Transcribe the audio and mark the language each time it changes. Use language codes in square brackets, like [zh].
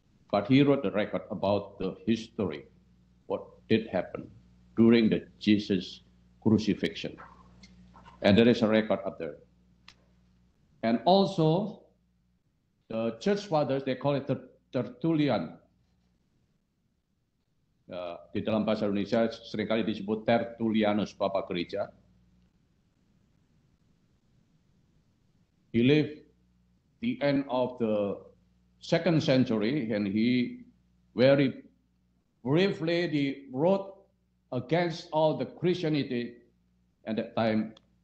[en] But he wrote the record about the history, what did happen during the Jesus crucifixion. And there is a record up there. And also, the church fathers, they call it Tertullian. [id] Di dalam bahasa Indonesia seringkali disebut Tertullianus, Bapak Gereja. [en] He lived the end of the second century, and he very briefly he wrote against all the Christianity at that time.